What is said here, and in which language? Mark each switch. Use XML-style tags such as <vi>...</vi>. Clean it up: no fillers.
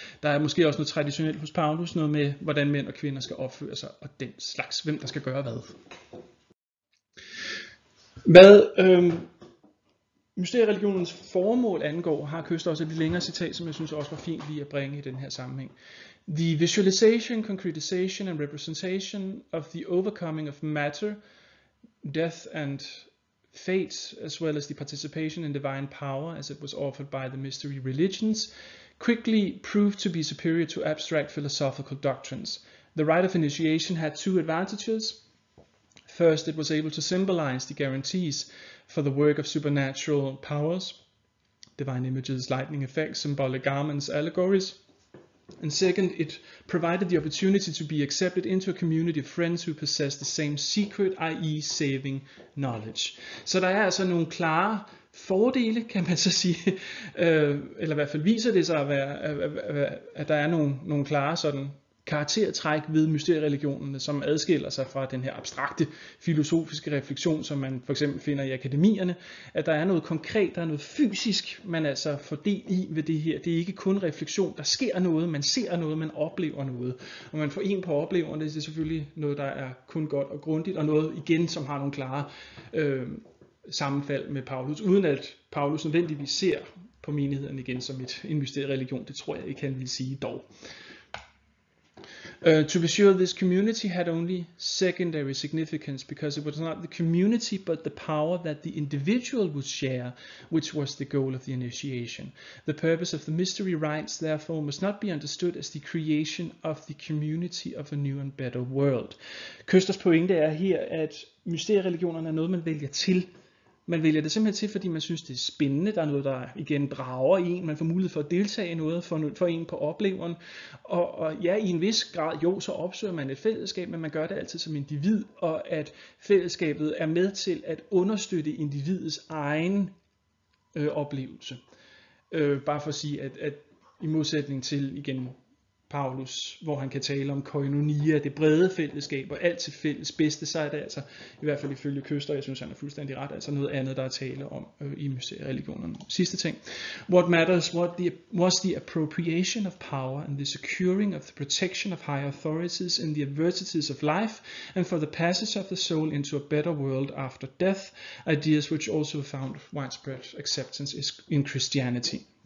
<da>Der er måske også noget traditionelt hos Paulus, noget med, hvordan mænd og kvinder skal opføre sig, og den slags, hvem der skal gøre hvad. Hvad mysteriereligionens formål angår, har Køster også et lidt længere citat, som jeg synes også var fint lige at bringe i den her sammenhæng.</da> <en>The visualization, concretization and representation of the overcoming of matter, death and fate, as well as the participation in divine power, as it was offered by the mystery religions, quickly proved to be superior to abstract philosophical doctrines. The rite of initiation had two advantages. First, it was able to symbolize the guarantees for the work of supernatural powers, divine images, lightning effects, symbolic garments, allegories. And second, it provided the opportunity to be accepted into a community of friends who possess the same secret, i.e. saving knowledge.</en> <da>Så der er altså nogle klare fordele, kan man så sige, eller i hvert fald viser det sig, at der er nogle klare sådan karaktertræk ved mysteriereligionerne, som adskiller sig fra den her abstrakte filosofiske refleksion, som man for eksempel finder i akademierne, at der er noget konkret, der er noget fysisk, man altså får del i ved det her. Det er ikke kun refleksion, der sker noget, man ser noget, man oplever noget. Og man får en på opleverne, det er selvfølgelig noget, der er kun godt og grundigt, og noget igen, som har nogle klare sammenfald med Paulus, uden at Paulus nødvendigvis ser på menigheden igen som et investeret religion. Det tror jeg ikke, han vil sige dog.</da> <en>To be sure, this community had only secondary significance because it was not the community but the power that the individual would share which was the goal of the initiation. The purpose of the mystery rites therefore must not be understood as the creation of the community of a new and better world.</en> <da>Kösters pointe er her, at mysteriereligionerne er noget, man vælger til. Man vælger det simpelthen til, fordi man synes, det er spændende. Der er noget, der igen drager en. Man får mulighed for at deltage i noget, for en på opleveren. Og ja, i en vis grad, jo, så opsøger man et fællesskab, men man gør det altid som individ. Og at fællesskabet er med til at understøtte individets egen oplevelse. Bare for at sige, at i modsætning til, igen, Paulus, hvor han kan tale om koinonia, det brede fællesskab og alt til fælles bedste, så er det altså, i hvert fald ifølge Kösters, jeg synes han er fuldstændig ret, altså noget andet, der er tale om i mysteriereligionerne. Sidste ting.</da> <en>What matters was the appropriation of power and the securing of the protection of higher authorities in the adversities of life and for the passage of the soul into a better world after death, ideas which also found widespread acceptance in Christianity.</en>